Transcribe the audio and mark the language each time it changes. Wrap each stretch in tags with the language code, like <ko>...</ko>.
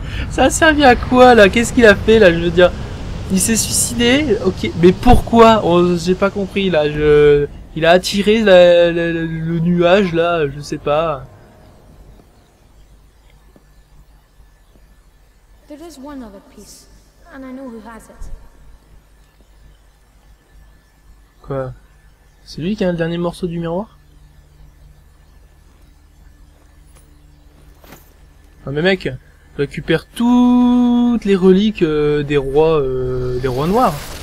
<fr>Ça a servi à quoi, là? Qu'est-ce qu'il a fait, là? Je veux dire, il s'est suicidé? Ok, mais pourquoi? Oh, j'ai pas compris, là. Il a attiré le nuage, là, je sais pas.</fr> <en>There is one other piece, and I know who has it.</en> <fr>Quoi? C'est lui qui a le dernier morceau du miroir? Non mais mec, récupère toutes les reliques des rois noirs.</fr>